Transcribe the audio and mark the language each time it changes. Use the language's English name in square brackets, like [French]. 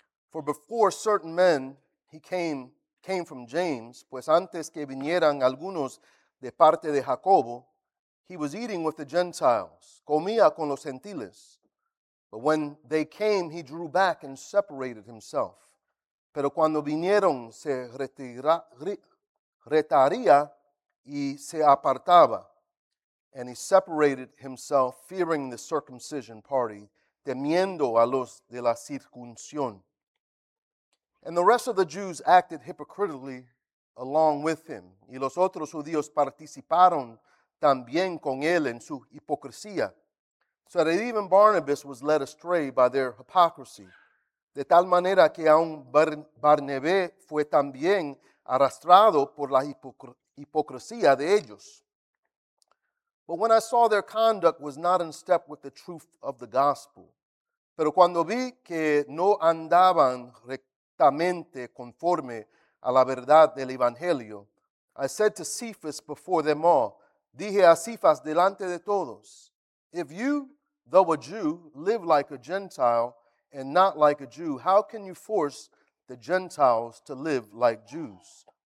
[English] For before certain men he came from James, [Spanish] pues antes que vinieran algunos de parte de Jacobo, [English] he was eating with the Gentiles, [Spanish] comía con los gentiles. [English] But when they came, he drew back and separated himself. [Spanish] Pero cuando vinieron, se retiraría y se apartaba. [English] And he separated himself, fearing the circumcision party, [Spanish] temiendo a los de la circuncisión. [English] And the rest of the Jews acted hypocritically along with him. [Spanish] Y los otros judíos participaron también con él en su hipocresía. [English] So that even Barnabas was led astray by their hypocrisy. [Spanish] De tal manera que aun Barnabé fue también arrastrado por la hipocresía de ellos. [English] But when I saw their conduct was not in step with the truth of the gospel, [Spanish] pero cuando vi que no andaban rectamente conforme a la verdad del evangelio, [English] I said to Cephas before them all, [Spanish] dije a Cephas delante de todos, [English] if you, though a Jew, live like a Gentile and not like a Jew, how can you force the Gentiles to live like Jews?